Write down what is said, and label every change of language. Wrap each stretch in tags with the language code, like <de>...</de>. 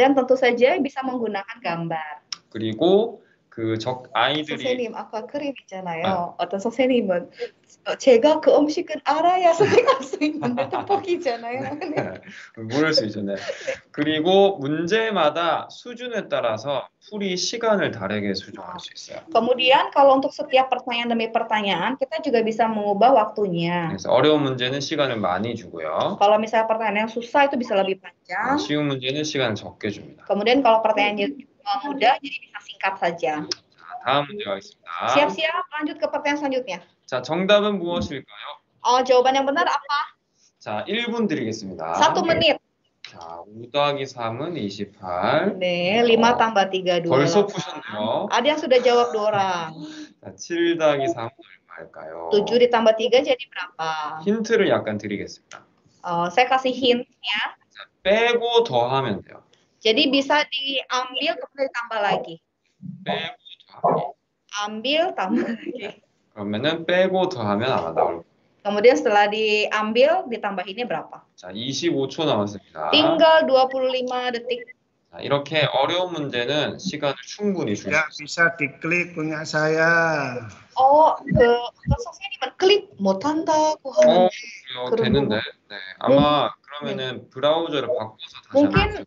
<id>Dan tentu saja bisa menggunakan gambar.</id> <ko>그리고 그 적 아이들이 선생님 아까 그림 있잖아요. 아. 어떤 선생님은 제가 그 음식은 알아야 생각할 수 있는데 떡볶이잖아요. 네. 모를 수 있잖아요. 그리고 문제마다 수준에 따라서 풀이 시간을 다르게 수정할 수 있어요.</ko> <id>Kemudian kalau untuk setiap pertanyaan demi pertanyaan kita juga bisa mengubah waktunya.</id> <ko>그래서 어려운 문제는 시간을 많이 주고요.</ko> <id>Kalau misalnya pertanyaan yang susah itu bisa lebih panjang.</id> <ko>네, 쉬운 문제는 시간을 적게 줍니다.</ko> <id>Kemudian kalau pertanyaannya mudah jadi bisa singkat saja.</id> <ko>자, 다음 문제 가겠습니다.</ko> <id>Siap-siap lanjut ke pertanyaan selanjutnya.</id> <ko>자, 정답은 무엇일까요?</ko> <id>Jawaban yang benar apa?</id> <ko>자, 1분 드리겠습니다.</ko> <id>1 menit.</id> <ko>자, 5 더하기 3은 28.</ko> <id>네, 5 tambah 3, 2.</id> <ko>벌써 푸셨네요.</ko> <id>아디아 sudah jawab 2 orang.</id> <ko>자, 7 더하기 3 얼마일까요?</ko> <id>7 ditambah 3 jadi berapa?</id> <ko>힌트를 약간 드리겠습니다.</ko> <id>Saya kasih hint-nya.</id> <ko>빼고 더하면 돼요.</ko> <id>Jadi bisa diambil kemudian ditambah lagi.</id> <ko>빼고 더하기.</ko> <id>Ambil tambah lagi.</id> <ko>그러면은 빼고 더하면 아마 나올 거예요.</ko> <id>Kemudian setelah diambil ditambahinnya berapa?</id> <ko>자, 25초 남았습니다.</ko> <id>Tinggal 25 detik.</id> <ko>자, 이렇게 어려운 문제는 시간을 충분히 줄 수 있어요. 뭐야, 뭐야, 뭐야, 클릭</ko> <id>punya saya.</id> <ko>선생님은 클릭 못 한다고 하는데. 되는데. 네. 아마 그러면은 브라우저를 바꿔서 다시</ko>